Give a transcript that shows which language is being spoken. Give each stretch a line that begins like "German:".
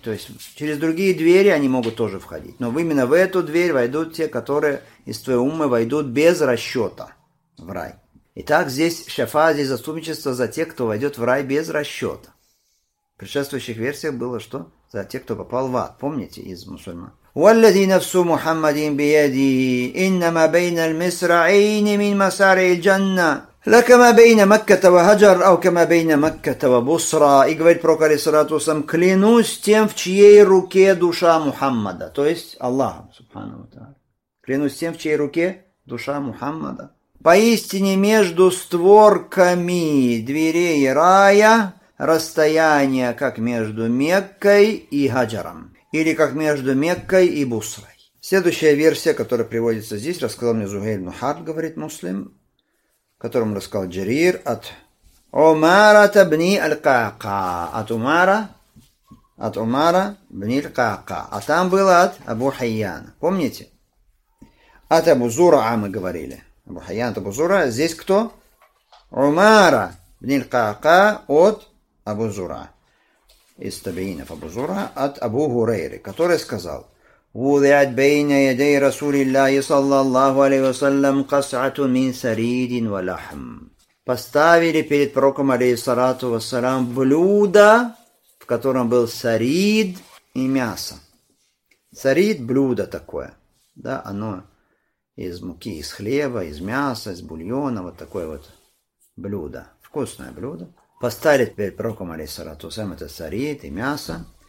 Russian: То есть через другие двери они могут тоже входить. Но именно в эту дверь войдут те, которые из твоей уммы войдут без расчета в рай. Итак, здесь шафа, здесь заступничество за тех, кто войдет в рай без расчета. В предшествующих версиях было что? За тех, кто попал в ад. Помните, из мусульман?
Arabic: والذي نفس محمد بيده إنما بين المصرعين من مسارع الجنة لكما بين مكة وهجر أو كما بين مكة وبصرة.
Russian: И говорит пророк, алейхиссалату вассалям, клянусь тем, в чьей руке душа Мухаммада, то есть Аллаха субхана ва тааля. Клянусь тем, в чьей руке душа Мухаммада. Поистине между створками дверей рая расстояние, как между Меккой и Хаджаром. Или как между Меккой и Бусрой. Следующая версия, которая приводится здесь, рассказал мне Зухейль ибн Харб, говорит муслим, которому рассказал Джарир от Умарата бни аль-кака. От Умара бни аль-кака. А там было от Абу Хайяна. Помните? От Абу Зура мы говорили. Абу Хайян от Абу Зура. Здесь кто? Умара бни аль-кака от Абу Зура. Из табиинов Абу Зура от Абу Хурейры, который сказал:
Arabic: وضعت بين يدي رسول الله صلى الله عليه وسلم قصعة من سريد ولحم.
Russian: Поставили перед пророком алейхиссалату вассалям блюдо, в котором был сарид и мясо. Сарид – блюдо такое. Да, оно из муки, из хлеба, из мяса, из бульона. Вот такое вот блюдо. Вкусное блюдо. Поставили перед пророком алейхиссалату вассалям это сарид и мясо.